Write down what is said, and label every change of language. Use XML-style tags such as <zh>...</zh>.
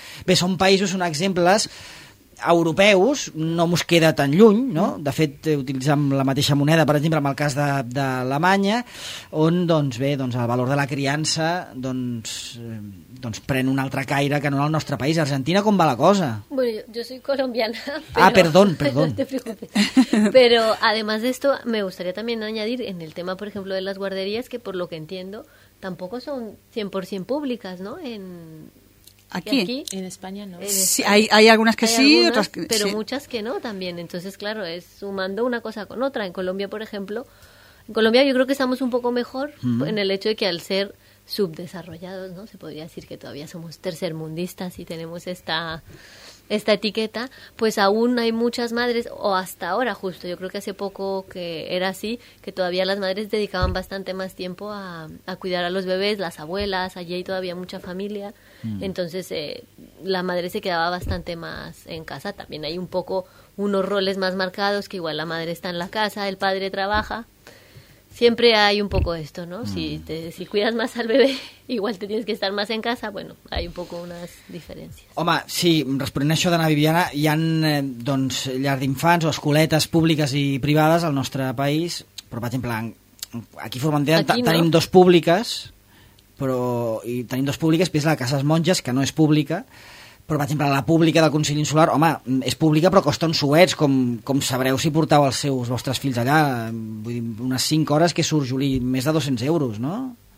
<ca>Bé, són països, són exemples europeus, no mos queda tan lluny, no? De fet, utilitzem la mateixa moneda, per exemple, en el cas de Alemanya, on doncs, bé, doncs el valor de la criança doncs pren un altre caire que no en el nostre país. A Argentina, com va la cosa?</ca> <es>Bueno, yo soy colombiana. Ah, perdón, perdón. No te preocupes. Pero además de esto, me gustaría también añadir en el tema, por ejemplo, de las guarderías, que por lo que entiendo, tampoco son 100% públicas, ¿no? Aquí en España no. Sí, hay algunas que sí, algunas, otras que, pero sí. Muchas que no también. Entonces, claro, es sumando una cosa con otra. En Colombia, por ejemplo, yo creo que estamos un poco mejor en el hecho de que al ser subdesarrollados, ¿no? Se podría decir que todavía somos tercermundistas y tenemos esta etiqueta, pues aún hay muchas madres, o hasta ahora justo, yo creo que hace poco que era así, que todavía las madres dedicaban bastante más tiempo a cuidar a los bebés, las abuelas, allí hay todavía mucha familia, entonces la madre se quedaba bastante más en casa. También hay un poco unos roles más marcados, que igual la madre está en la casa, el padre trabaja. Siempre hay un poco esto, ¿no? Si cuidas más al bebé, igual te tienes que estar más en casa. Bueno, hay un poco unas diferencias.</es> <ca>Home, sí, responent a això d'Anna Viviana, hi ha doncs, llars d'infants o escoletes públiques i privades al nostre país, però, per exemple, aquí a Formentera tenim dos públiques, però és la Casa dels Monges, que no és pública, però, per exemple, la pública del Consell Insular, home, és pública però costa uns suets, com sabreu si portau els vostres fills allà, vull dir, unes 5 hores que surt, Juli, més de 200 euros, no?</ca>